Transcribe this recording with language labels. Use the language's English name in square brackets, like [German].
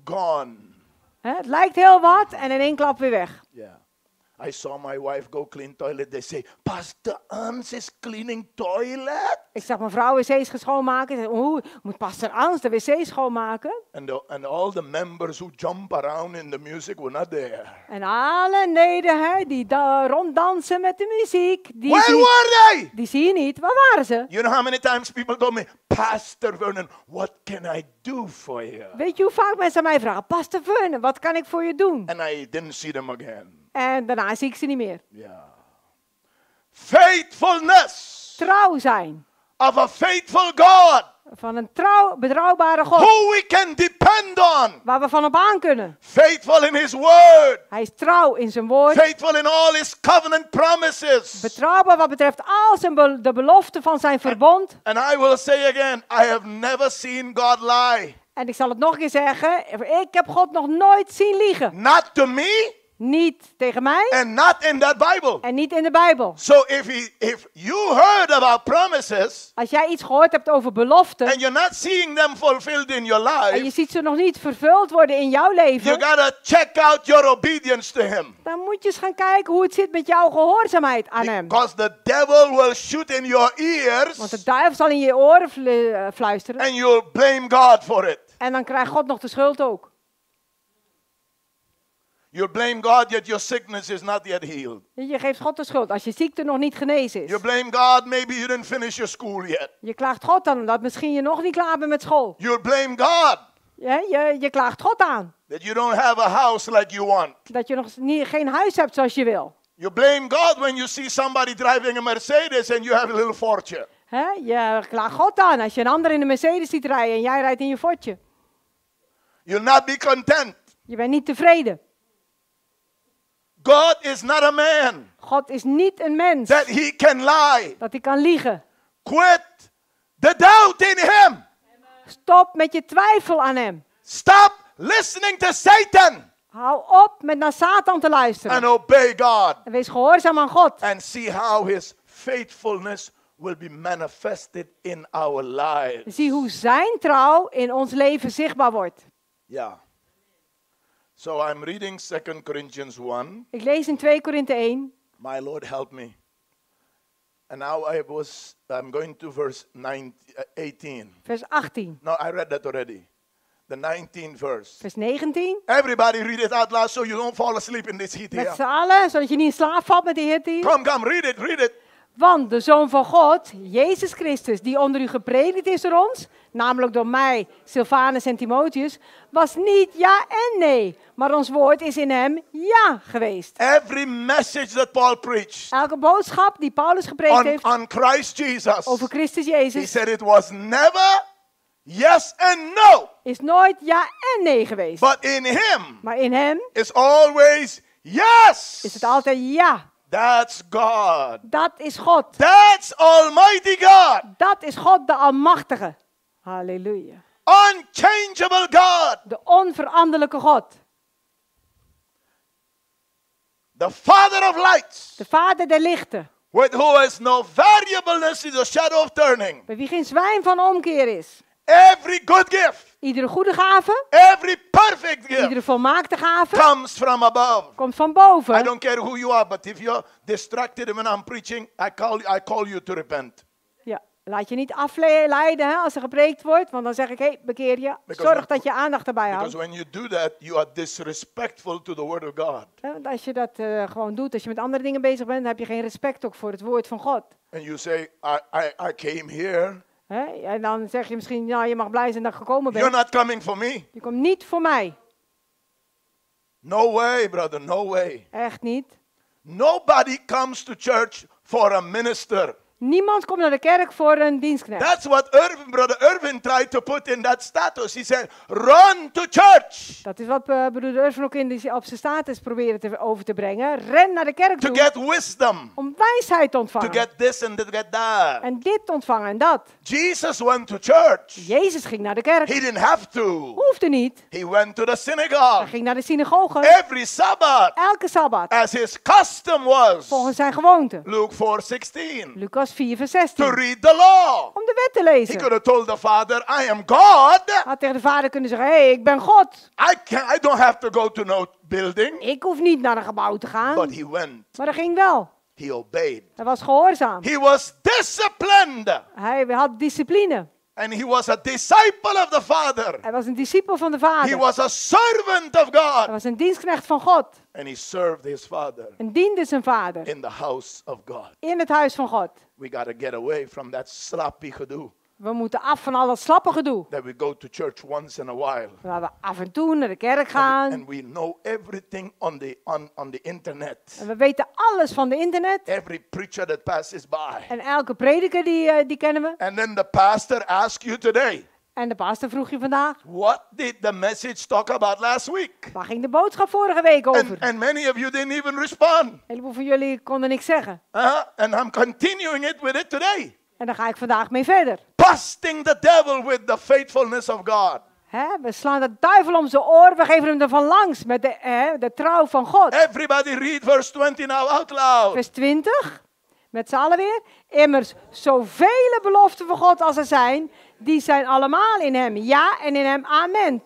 [English] Gone. Hè? [Dutch] Het lijkt heel wat en in één klap weer weg. [English] Yeah. I saw my wife go clean toilet. They say, Pastor Ernst is cleaning toilet. [Dutch] Ik zag mijn vrouw wc's schoonmaken. Moet Pastor Ernst de wc schoonmaken? [English] And all the members who jump around in the music were not there. [Dutch] En alle leden hè, die ronddansen met de muziek. Die zie je niet. Waar waren ze? [English] You know how many times people told me, Pastor Vernon, what can I do for you? [Dutch] Weet je hoe vaak mensen mij vragen, Pastor Vernon, wat kan ik voor je doen? [English] And I didn't see them again. [Dutch] En daarna zie ik ze niet meer. [English] Yeah. Faithfulness. [Dutch] Trouw zijn. [English] Of a faithful God. [Dutch] Van een trouw, betrouwbare God. [English] Who we can depend on. [Dutch] Waar we van op aan kunnen. [English] Faithful in his word. [Dutch] Hij is trouw in zijn woord. [English] Faithful in all his covenant promises. [Dutch] Betrouwbaar wat betreft al zijn de belofte van zijn verbond. [English] And I will say again, I have never seen God lie. [Dutch] En ik zal het nog een keer zeggen, ik heb God nog nooit zien liegen. [English] Not to me. [Dutch] Niet tegen mij. [English] And not in that Bible. [Dutch] En niet in de Bijbel. [English] So if you heard about promises. [Dutch] Als jij iets gehoord hebt over beloften. [English] And you're not seeing them fulfilled in your life. [Dutch] En je ziet ze nog niet vervuld worden in jouw leven. [English] You gotta check out your obedience to him. [Dutch] Dan moet je eens gaan kijken hoe het zit met jouw gehoorzaamheid aan hem. [English] Because the devil will shoot in your ears. [Dutch] Want de duivel zal in je oren fluisteren. [English] And you'll blame God for it. [Dutch] En dan krijgt God nog de schuld ook. [English] You blame God yet your sickness is not yet healed. [Dutch] Je geeft God de schuld als je ziekte nog niet genezen is. [English] You blame God maybe you didn't finish your school yet. [Dutch] Je klaagt God dan omdat misschien je nog niet klaar bent met school. [English] You blame God. [Dutch] Je klaagt God aan. [English] That you don't have a house like you want. [Dutch] Dat je nog geen huis hebt zoals je wil. [English] You blame God when you see somebody driving a Mercedes and you have a little Fortje. Hè? [Dutch] Je klaagt God aan als je een ander in een Mercedes ziet rijden en jij rijdt in je Fortje. [English] You'll not be content. [Dutch] Je bent niet tevreden. [English] God is not a man. [Dutch] God is niet een mens. [English] That he can lie. [Dutch] Dat hij kan liegen. [English] Quit the doubt in him. [Dutch] Stop met je twijfel aan hem. [English] Stop listening to Satan. [Dutch] Hou op met naar Satan te luisteren. [English] And obey God. [Dutch] En wees gehoorzaam aan God. [English] And see how his faithfulness will be manifested in our lives. [Dutch] Zie hoe zijn trouw in ons leven zichtbaar wordt. [English] Ja. Yeah. So I'm reading 2 Corinthians 1. [Dutch] Ik lees in 2 Korinthe 1. [English] My Lord help me. And now I'm going to verse 18. [Dutch] Vers 18. [English] No, I read that already. The 19th verse. [Dutch] Vers 19. [English] Everybody read it out loud so you don't fall asleep in this heat here. [Dutch] Met z'n allen, zodat je niet in slaap valt met die hitte. [English] Come, read it. [Dutch] Want de Zoon van God, Jezus Christus, die onder u gepredikt is door ons, namelijk door mij, Silvanus en Timotheus, was niet ja en nee, maar ons woord is in hem ja geweest. [English] Every message that Paul preached, [Dutch] elke boodschap die Paulus gepreekt heeft [English] on Christ Jesus, [Dutch] over Christus Jezus, [English] he said it was never yes and no, [Dutch] is nooit ja en nee geweest. [English] But in him, [Dutch] maar in hem [English] is, always yes. [Dutch] Is het altijd ja. [English] That's God. [Dutch] Dat is God. [English] That's Almighty God. [Dutch] Dat is God de Almachtige. Halleluja. [English] Unchangeable God. [Dutch] De onveranderlijke God. [English] The Father of lights. [Dutch] De Vader der lichten. [English] With who is no variableness in the shadow of turning. [Dutch] Bij wie geen zwijn van omkeer is. [English] Every good gift. [Dutch] Iedere goede gave. [English] Every perfect gift. [Dutch] Iedere volmaakte gave. [English] Comes from above. [Dutch] Komt van boven. [English] I don't care who you are, but if you're distracted when I'm preaching, I call you to repent. [Dutch] Ja, laat je niet afleiden als er gepreekt wordt, want dan zeg ik, hey, bekeer je. [English] Because [Dutch] zorg dat je aandacht erbij houdt. [English] Because when you do that, you are disrespectful to the word of God. [Dutch] Ja, als je dat gewoon doet, als je met andere dingen bezig bent, dan heb je geen respect ook voor het woord van God. [English] And you say, I came here. He? [Dutch] En dan zeg je misschien, nou, je mag blij zijn dat je gekomen bent. [English] You're not coming for me. [Dutch] Je komt niet voor mij. [English] No way, brother, no way. [Dutch] Echt niet. [English] Nobody comes to church for a minister. [Dutch] Niemand komt naar de kerk voor een dienstknecht. [English] That's what Irvin, brother Irvin, tried to put in that status. He said, run to church. [Dutch] Dat is wat broeder Irvin ook in op zijn status probeerde over te brengen. Ren naar de kerk [English] to get wisdom. [Dutch] Om wijsheid te ontvangen. [English] To get this and to get that. [Dutch] En dit ontvangen en dat. [English] Jesus went to church. [Dutch] Jezus ging naar de kerk. [English] He didn't have to. [Dutch] Hoefde niet. [English] He went to the synagogue. [Dutch] Hij ging naar de synagoge. [English] Every Sabbath. [Dutch] Elke Sabbat. [English] As his custom was. [Dutch] Volgens zijn gewoonte. [English] Luke 4:16. [Dutch] Lucas 4:16. [English] To read the law. [Dutch] Om de wet te lezen. [English] He could have told the father, I am God. [Dutch] Had tegen de vader kunnen zeggen, hey, ik ben God. [English] I don't have to go to no building. [Dutch] Ik hoef niet naar een gebouw te gaan. [English] But he went. [Dutch] Maar dat ging wel. [English] He obeyed. [Dutch] Hij was gehoorzaam. [English] He was disciplined. [Dutch] Hij had discipline. [English] And he was a disciple of the father. [Dutch] Hij was een discipel van de vader. [English] He was a servant of God. [Dutch] Hij was een dienstknecht van God. [English] And he served his father. [Dutch] En diende zijn vader. [English] In the house of God. [Dutch] In het huis van God. [English] We gotta get away from that sloppy gedoe. [Dutch] We moeten af van al dat slappe gedoe. [English] That we go to church once in a while. [Dutch] Waar we af en toe naar de kerk gaan. [English] And we know everything on the internet. [Dutch] En we weten alles van de internet. [English] Every preacher that passes by. [Dutch] En elke prediker die kennen we. [English] And then the pastor asks you today. [Dutch] En de pastor vroeg je vandaag. [English] What did the message talk about last week? [Dutch] Waar ging de boodschap vorige week over? [English] And many of you didn't even respond. [Dutch] Een heleboel van jullie konden niks zeggen. [English] And I'm continuing it with it today. [Dutch] En daar ga ik vandaag mee verder. [English] Busting the devil with the faithfulness of God. [Dutch] He, we slaan de duivel om zijn oor. We geven hem ervan langs met de trouw van God. [English] Everybody read verse 20 now out loud. [Dutch] Vers 20. Met z'n allen weer. Immers, zoveel beloften van God als er zijn, die zijn allemaal in hem. Ja, en in hem. Amen.